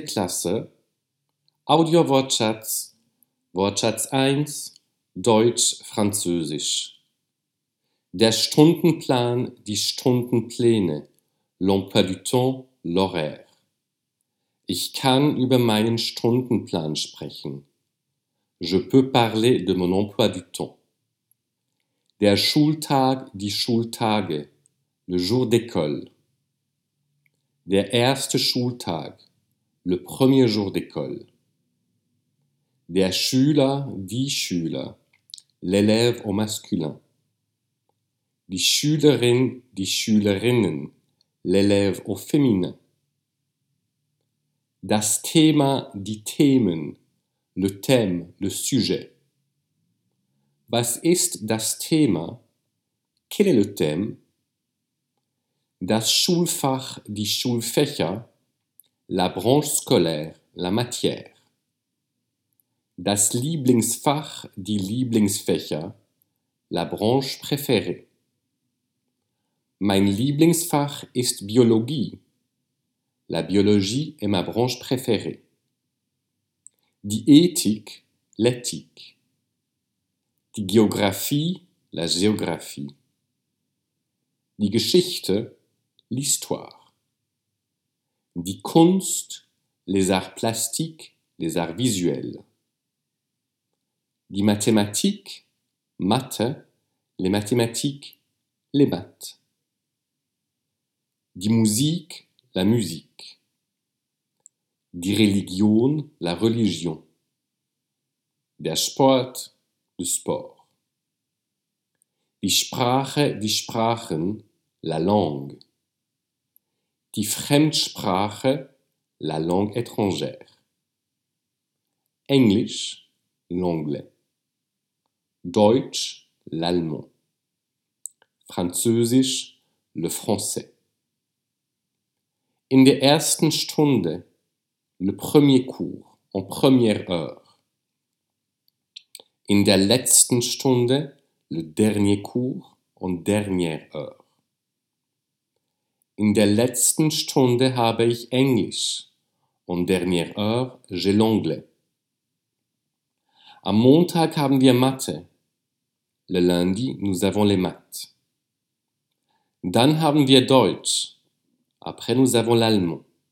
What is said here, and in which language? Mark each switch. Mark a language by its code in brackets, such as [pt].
[de] Klasse, Audio-Wortschatz, Wortschatz 1, Deutsch-Französisch. Der Stundenplan, die Stundenpläne, [fr] l'emploi du temps, l'horaire. [de] Ich kann über meinen Stundenplan sprechen. [fr] Je peux parler de mon emploi du temps. [de] Der Schultag, die Schultage, [fr] le jour d'école. [de] Der erste Schultag, [fr] le premier jour d'école. [de] Der Schüler, die Schüler, [fr] l'élève au masculin. [de] Die Schülerin, die Schülerinnen, [fr] l'élève au féminin. [de] Das Thema, die Themen, [fr] le thème, le sujet. [de] Was ist das Thema? [fr] Quel est le thème? [de] Das Schulfach, die Schulfächer, [fr] la branche scolaire, la matière. [de] Das Lieblingsfach, die Lieblingsfächer, [fr] la branche préférée. [de] Mein Lieblingsfach ist Biologie. [fr] La biologie est ma branche préférée. [de] Die Ethik, [fr] l'éthique. [de] Die Geographie, [fr] la géographie. [de] Die Geschichte, [fr] l'histoire. [de] Die Kunst, [fr] les arts plastiques, les arts visuels. [de] Die Mathematik, Mathe, [fr] les mathématiques, les maths. [de] Die Musik, [fr] la musique. [de] Die Religion, [fr] la religion. [de] Der Sport, [fr] le sport. [de] Die Sprache, die Sprachen, [fr] la langue. [de] Die Fremdsprache, [fr] la langue étrangère. Englisch, l'anglais. Deutsch, l'allemand. Französisch, le français. [de] In der ersten Stunde, [fr] le premier cours, en première heure. [de] In der letzten Stunde, [fr] le dernier cours, en dernière heure. [de] In der letzten Stunde habe ich Englisch. [fr] En dernière heure, j'ai l'anglais. [de] Am Montag haben wir Mathe. [fr] Le lundi, nous avons les maths. [de] Dann haben wir Deutsch. [fr] Après, nous avons l'allemand.